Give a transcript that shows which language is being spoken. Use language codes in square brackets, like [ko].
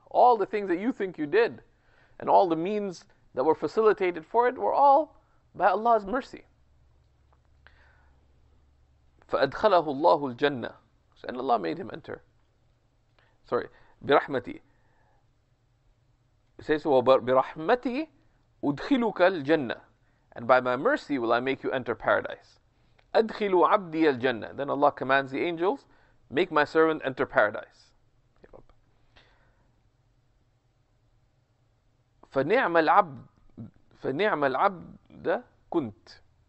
[en] All the things that you think you did, and all the means that were facilitated for it, were all by Allah's mercy. [ar] فَأَدْخَلَهُ اللَّهُ الْجَنَّةِ. [en] And Allah made him enter. Sorry, بِرَحْمَتِي. He says, [ar] وَبِرَحْمَتِي أُدْخِلُكَ الْجَنَّةِ. [en] And by my mercy will I make you enter paradise. [ar] أَدْخِلُ عَبْدِيَ الْجَنَّةِ. [en] Then Allah commands the angels, make my servant enter paradise. [ar] فَنِعْمَ الْعَبْدِ فَنِعْمَ الْعَبْدَ كُنْتْ.